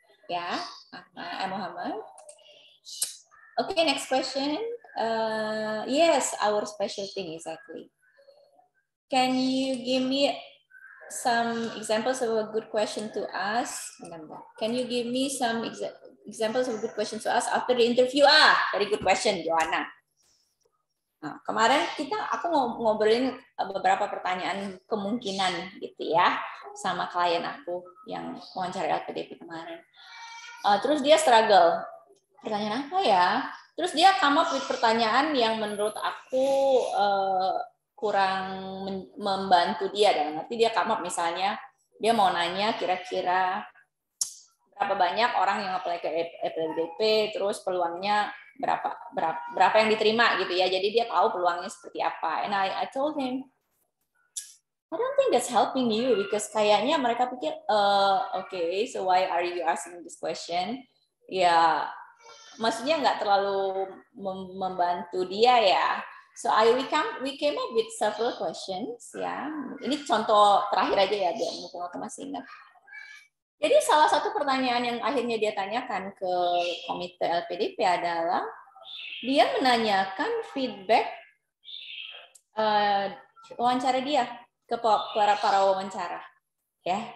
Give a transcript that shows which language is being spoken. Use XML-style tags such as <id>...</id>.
<en>Yeah, I'm Muhammad. Okay, next question. Yes, our special thing, exactly. Can you give me some examples of a good question to ask? Can you give me some examples of a good question to ask after the interview? Ah, very good question, Joanna.</en> <id>Nah, kemarin aku ngobrolin beberapa pertanyaan kemungkinan gitu ya sama klien aku yang wawancara LPDP kemarin. Terus dia struggle. Pertanyaan apa ya? Terus dia</id> <en>come up with</en> <id>pertanyaan yang menurut aku kurang membantu dia. Dan nanti dia come up misalnya, dia mau nanya kira-kira berapa banyak orang yang apply ke LPDP, terus peluangnya berapa yang diterima gitu ya. Jadi dia tahu peluangnya seperti apa.</id> <en>And I told him, I don't think that's helping you, because</en> <id>kayaknya mereka pikir,</id> <en>okay, so why are you asking this question?</en> <id>Ya, maksudnya nggak terlalu membantu dia ya.</id> <en>So we came up with several questions ya.</en> <id>Ini contoh terakhir aja ya, biar mungkin aku masih ingat. Jadi salah satu pertanyaan yang akhirnya dia tanyakan ke komite LPDP adalah dia menanyakan feedback wawancara dia ke para wawancara ya.</id>